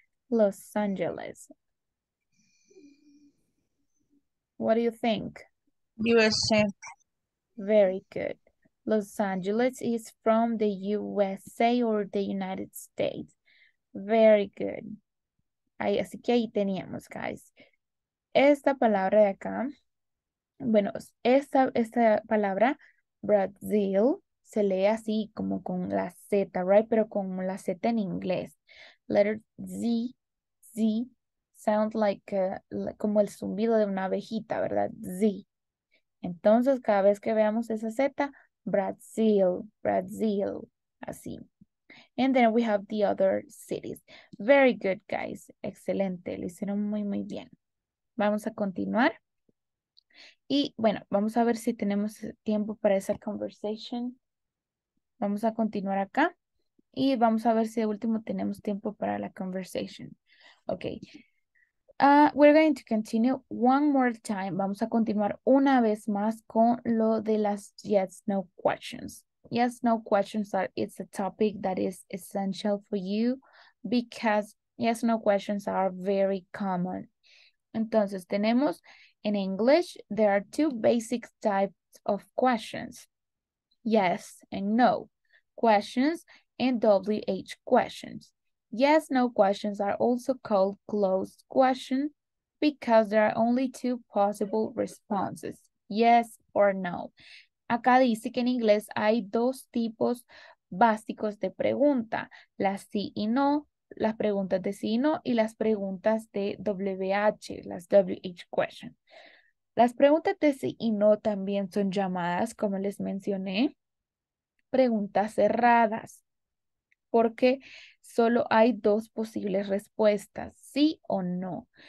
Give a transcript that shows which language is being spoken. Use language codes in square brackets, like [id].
[en] Los Angeles. What do you think? USA. Very good. Los Angeles is from the USA or the United States. Very good. [es] Ahí, así que ahí teníamos, guys. Esta palabra de acá, bueno, esta palabra, Brazil, se lee así como con la Z, right? Pero con la Z en inglés. [en] Letter Z, Z, sounds like [es] como el zumbido de una abejita, ¿verdad? Z. Entonces, cada vez que veamos esa Z, Brazil, Brazil, así. [en] And then we have the other cities. Very good, guys. Excelente. [es] Lo hicieron muy, muy bien. Vamos a continuar. Y, bueno, vamos a ver si tenemos tiempo para esa conversation. Vamos a continuar acá. Y vamos a ver si de último tenemos tiempo para la conversation. Okay. [en] We're going to continue one more time. [es] Vamos a continuar una vez más con lo de las yes, no questions. [en] Yes, no questions are, it's a topic that is essential for you because yes, no questions are very common. [es] Entonces, tenemos [en] in English, there are two basic types of questions. Yes and no questions and WH questions. Yes, no questions are also called closed questions because there are only two possible responses, yes or no. [es] Acá dice que en inglés hay dos tipos básicos de pregunta, las sí y no, las preguntas de sí y no, y las preguntas de WH, las WH questions. Las preguntas de sí y no también son llamadas, como les mencioné, preguntas cerradas, porque solo hay dos posibles respuestas, sí o no.